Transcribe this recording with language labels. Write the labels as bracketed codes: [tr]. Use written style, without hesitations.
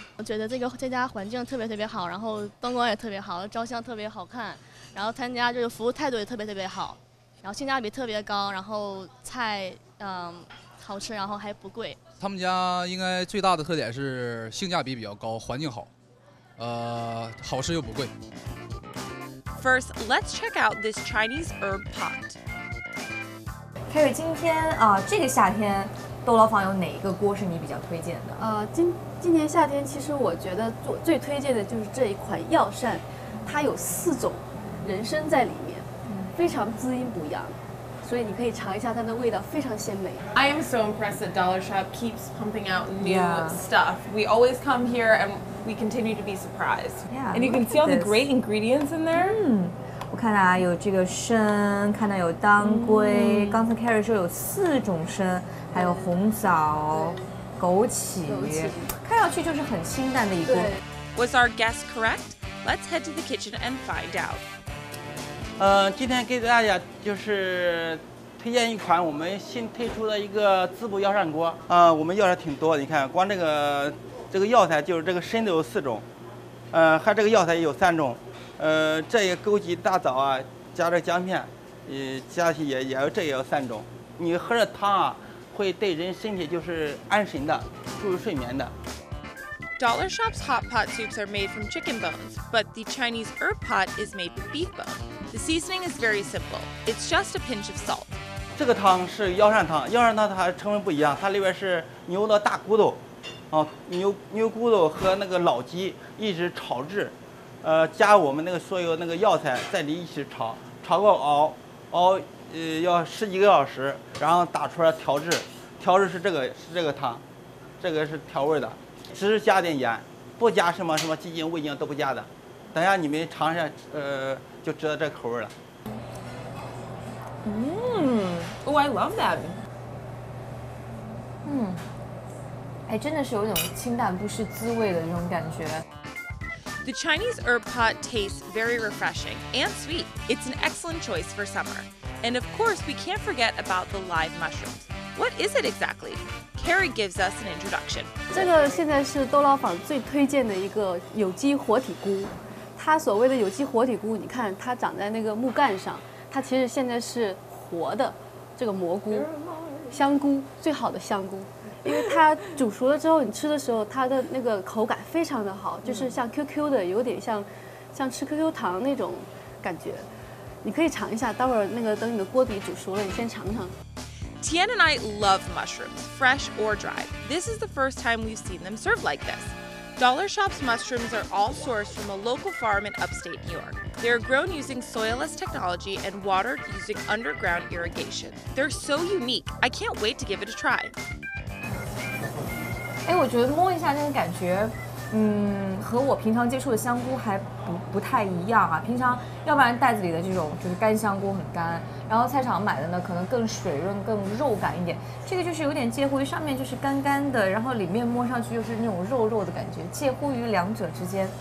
[zh] 我觉得这家环境特别特别好，然后灯光也特别好，照相特别好看，然后他家就是服务态度也特别特别好，然后性价比特别高，然后菜好吃，然后还不贵。他们家应该最大的特点是性价比比较高，环境好，好吃又不贵。 [en] First, let's check out this Chinese herb pot. [zh] Carrie, 今天这个夏天豆老坊有哪一个锅是你比较推荐的？今年夏天其实我觉得最推荐的就是这一款药膳，它有四种人参在里面，非常滋阴补阳。所以你可以尝一下它的味道，非常鲜美。 [en] I am so impressed that Dollar Shop keeps pumping out new stuff. We always come here and we continue to be surprised. Yeah, and you can see all the great ingredients in there. [zh] 我看到有这个参，看到有当归，刚才 Carrie 说有四种参，还有红枣、枸杞，看上去就是很清淡的一锅。 [en] Was our guess correct? Let's head to the kitchen and find out. [zh] 今天给大家就是推荐一款我们新推出的一个滋补药膳锅。我们药材挺多，你看光这个药材就是这个参都有四种，还这个药材也有三种，这个枸杞大枣啊，加这姜片，加起也这也有三种。你喝着汤啊，会对人身体就是安神的，助于睡眠的。 [en] Dollar Shop's hot pot soups are made from chicken bones, but the Chinese herb pot is made with beef bone. The seasoning is very simple. It's just a pinch of salt. [zh] 这个汤是药膳汤，药膳汤它成分不一样，它里边是牛的大骨头，牛骨头和那个老鸡一直炒制，加我们那个所有那个药材在里一起炒，炒够熬要十几个小时，然后打出来调制，调制是这个汤，这个是调味的。只是加点盐，不加什么鸡精、味精都不加的。等一下你们尝一下，就知道这口味了。 [en] I love that. [zh] 真的是有一种清淡不失滋味的那种感觉。 [en] The Chinese herb pot tastes very refreshing and sweet. It's an excellent choice for summer. And of course, we can't forget about the live mushrooms. What is it exactly? Carrie gives us an introduction. [zh] 这个现在是豆老坊最推荐的一个有机活体菇。它所谓的有机活体菇，你看它长在那个木干上，它其实现在是活的这个蘑菇、香菇，最好的香菇。因为它煮熟了之后，你吃的时候它的那个口感非常的好，就是像 QQ 的，有点像吃 QQ 糖那种感觉。你可以尝一下，待会儿那个等你的锅底煮熟了，你先尝尝。 [en] Tian and I love mushrooms, fresh or dried. This is the first time we've seen them served like this. Dollar Shop's mushrooms are all sourced from a local farm in upstate New York. They are grown using soilless technology and watered using underground irrigation. They're so unique, I can't wait to give it a try. [zh] 哎，我觉得摸一下那个感觉，和我平常接触的香菇还不太一样啊。平常要不然袋子里的这种就是干香菇很干，然后菜场买的呢可能更水润、更肉感一点。这个就是有点介乎于上面就是干干的，然后里面摸上去又是那种肉肉的感觉，介乎于两者之间。